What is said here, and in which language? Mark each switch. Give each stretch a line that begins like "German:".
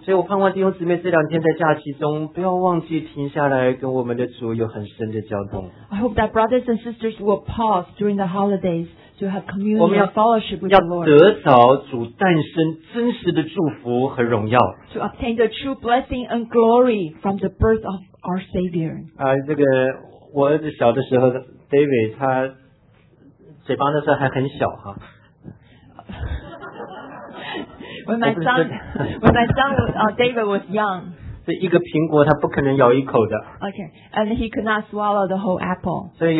Chinese: 所以我盼望弟兄姊妹这两天在假期中，不要忘记停下来跟我们的主有很深的交通。
English: I hope that brothers and sisters will pause during the holidays to have communion and fellowship with the Lord.
Chinese: 我们要得着主诞生真实的祝福和荣耀。
English: To obtain the true blessing and glory from the birth of our Savior.
Chinese: 我儿子小的时候，David他。嘴巴那时候还很小哈。
English: When my son David was young.
Chinese: 是一个苹果，他不可能咬一口的。
English: Okay, and he could not swallow the whole apple.